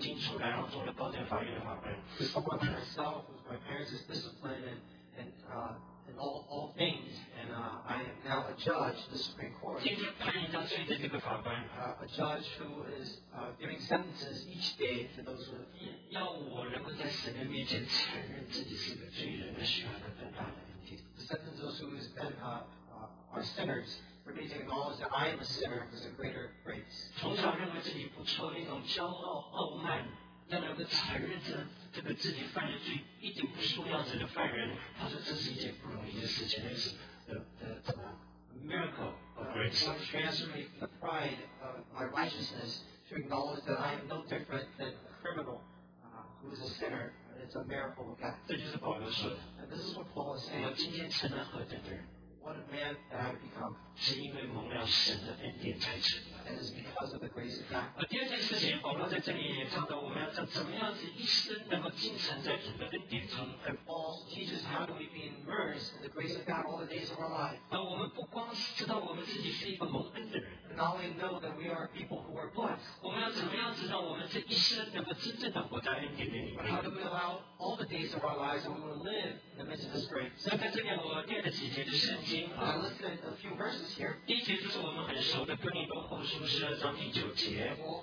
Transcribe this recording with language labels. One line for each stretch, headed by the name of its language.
Chinese: 但是当我自己的从小就是这么在各方面，父母亲教导老师逼我都是要结束，然后流经出来，然后做了高等法院的法官。
English: Myself, with my parents, is disciplined and all things, and I am now a judge of the Supreme Court. A judge who is giving sentences each day to those who have sentence those who have been are sinners for me to acknowledge that I am a sinner is a greater grace. Miracle of grace. I'm transferring the pride of my righteousness to acknowledge that I am no different than a criminal who is a sinner. It's a miracle of God. And this is what Paul is saying. What a what a man that I would become.
Chinese: 是因为蒙了神的恩典才成的。
English: And it's because of the grace of God.
Chinese: 而第二件事情，保罗在这里也讲到，我们要怎么样子一生能够精神在主的恩典中。
English: And Paul teaches how do we be immersed in the grace of God all the days of our life.
Chinese: 那我们不光是知道我们自己是一个蒙恩的人。
English: Not only know that we are people who are blessed.
Chinese: 我们要怎么样子让我们这一生能够真正的活在恩典里面？
English: How do we allow all the days of our lives and we will live in the midst of this grace?
Chinese: 那在这里我念了几节的圣经。
English: I listed a few verses.
Chinese: 第一节就是我们很熟的哥林多后书十二章第九节。